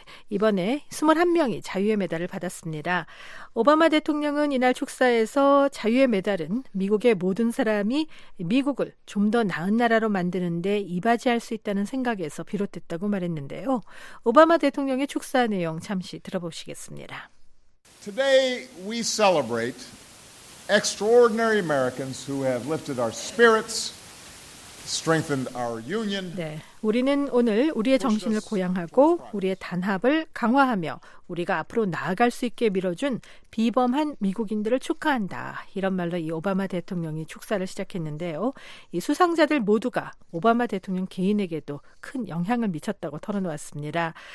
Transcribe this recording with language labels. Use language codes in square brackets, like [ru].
[ko] 이번에 21명이 자유의 메달을 받았습니다. 오바마 대통령은 이날 축사에서 자유의 메달은 미국의 모든 사람이 미국을 좀 더 나은 나라로 만드는 데 이바지할 수 있다는 생각에서 비롯됐다고 말했는데요. 오바마 대통령의 축사 내용 잠시 들어보시겠습니다. [en] Today we celebrate extraordinary Americans who have lifted our spirits, strengthened our union. [ko] 네. 우리는 오늘 우리의 정신을 고양하고 우리의 단합을 강화하며 우리가 앞으로 나아갈 수 있게 밀어준 비범한 미국인들을 축하한다. 이런 말로 이 오바마 대통령이 축사를 시작했는데요. 이 수상자들 모두가 오바마 대통령 개인에게도 큰 영향을 미쳤다고 털어놓았습니다.